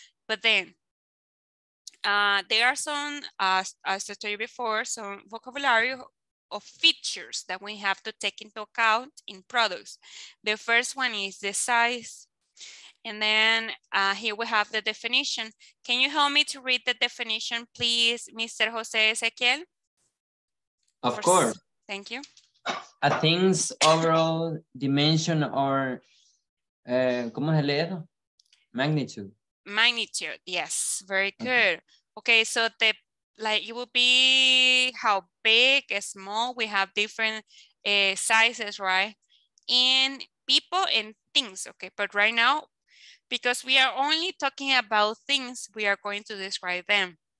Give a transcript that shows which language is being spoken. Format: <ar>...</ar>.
<en>But then there are some, as I told you before, some vocabulary of features that we have to take into account in products. The first one is the size. And then here we have the definition. Can you help me to read the definition, please, Mr. Jose Ezequiel? Of course. Thank you. A thing's overall dimension or</en> <es>¿cómo se lee?</es> <en>Magnitude. Magnitude, yes, very good. Okay, so the like it would be how big, small, we have different sizes, right? In people and things, okay, but right now, because we are only talking about things, we are going to describe them.</en>